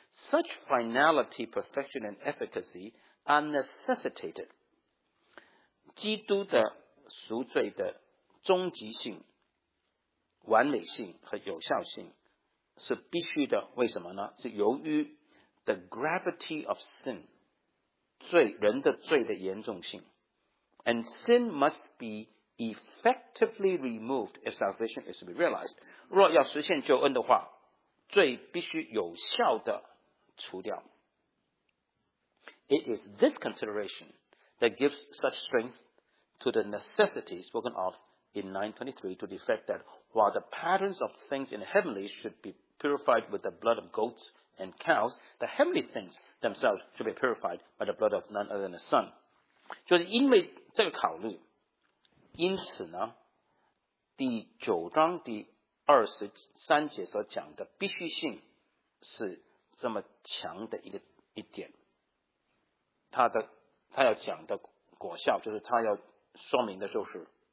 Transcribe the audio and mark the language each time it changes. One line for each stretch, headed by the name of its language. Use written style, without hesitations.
Chinese: Such finality, perfection and efficacy are necessitated，基督的赎罪的终极性完美性和有效性是必须的。为什么呢？是由于 the gravity of sin，罪人的罪的严重性。
English: And sin must beEffectively removed if salvation is to be realized，若要实现救恩的话，罪必须有效的除掉。 It is this consideration that gives such strength to the necessity spoken of in 9:23 to the effect that while the patterns of things in heavenly should be purified with the blood of goats and cows， the heavenly things themselves should be purified by the blood of none other than the Son。
Chinese: 就是因为这个考虑，因此呢，第九章第二十三节所讲的必须性是这么强的一点，他要讲的果效，就是他要说明的就是，